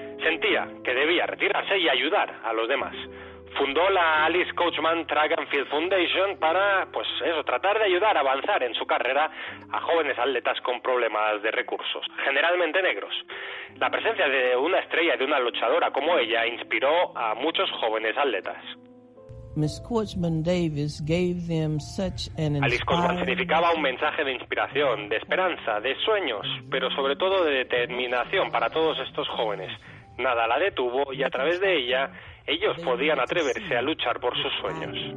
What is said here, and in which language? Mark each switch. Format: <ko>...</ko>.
<es>Sentía que debía retirarse y ayudar a los demás. Fundó la Alice Coachman Track and Field Foundation para, pues eso, tratar de ayudar a avanzar en su carrera a jóvenes atletas con problemas de recursos, generalmente negros. La presencia de una estrella y de una luchadora como ella inspiró a muchos jóvenes atletas.</es> <en>Miss Coachman Davis gave them such an inspiring...</en> <es>Alice Coachman significaba un mensaje de inspiración, de esperanza, de sueños, pero sobre todo de determinación para todos estos jóvenes. Nada la detuvo y a través de ella, ellos podían atreverse a luchar por sus sueños.</es>